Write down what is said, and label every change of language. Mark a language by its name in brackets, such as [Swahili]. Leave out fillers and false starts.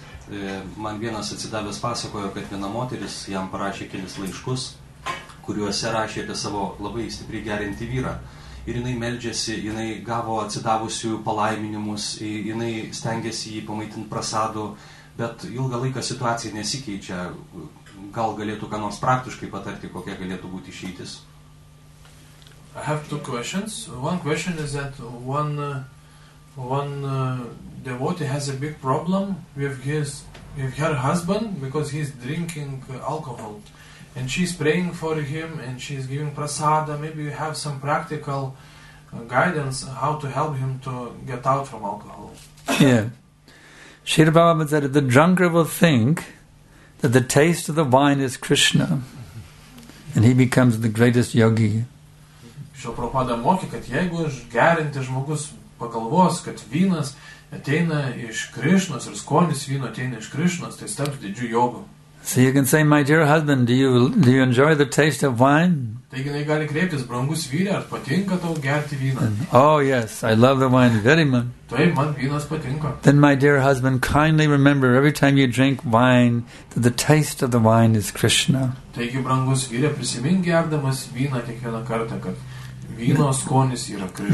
[Lithuanian] Ir man vienas atsidavęs pasakojo, kad viena moteris jam parašė kelis laiškus, kuriuose rašė apie savo labai stipriai gerintį vyrą. Ir jinai meldžiasi, jinai gavo atsidavusių palaiminimus, jinai stengiasi jį pamaitinti prasadu, bet ilgą laiką situacija nesikeičia. Gal galėtų ką nors praktiškai patarti, kokia galėtų būti išeitis? [English] I have two questions. One question is that one devotee has a big problem with her husband because he's drinking alcohol. And she's praying for him, and she's giving prasada. Maybe you have some practical guidance how to help him to get out from alcohol. Yeah. Srila Prabhupada said, if the drunkard will think that the taste of the wine is Krishna, and he becomes the greatest yogi. [Lithuanian] Srila Prabhupada mokė, kad jeigu gerintis žmogus pagalvos, kad vynas ateina iš Krišnos, ir skonis vyno ateina iš Krišnos, tai taps didžiu jogu. [English] So you can say, my dear husband, do you enjoy the taste of wine? [Lithuanian] Taigi, jinai gali kreiptis, brangus vyre, ar patinka tau gerti vyną? [English] Oh, yes, I love the wine very much. [Lithuanian] Taip, man vynas patinka. [English] Then, my dear husband, kindly remember, every time you drink wine, that the taste of the wine is Krishna. [Lithuanian] Taigi, brangus vyre, prisimink gerdamas vyną kiekvieną kartą, kad vyno skonis yra Krishna.